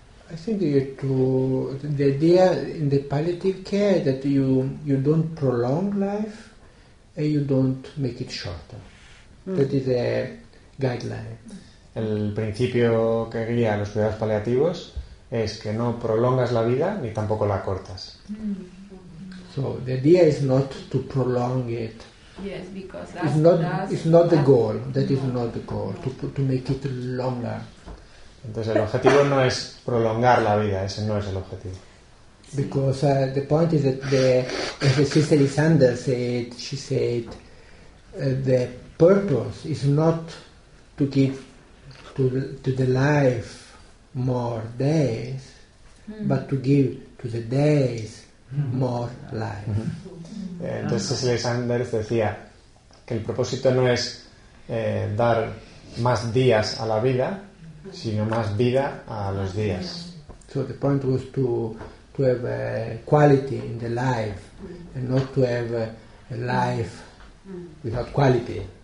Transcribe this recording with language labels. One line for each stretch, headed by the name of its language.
English: I think the idea in the palliative care that you don't prolong life and you don't make it shorter. That is a guideline.
Spanish: El principio que guía los cuidados paliativos es que no prolongas la vida ni tampoco la cortas.
English: So the idea is not to prolong it. Yes, because that's not the goal, to make it longer.
Spanish: Entonces el objetivo no es prolongar la vida, ese no es el objetivo.
English: Because the point is that as Cicely Sanders said, she said, the purpose is not to give to the life more days, but to give to the days more life.
Spanish: Entonces Cicely Sanders decía que el propósito no es dar más días a la vida, sino más vida a los días.
English: So the point was to have quality in the life and not to have a life without quality.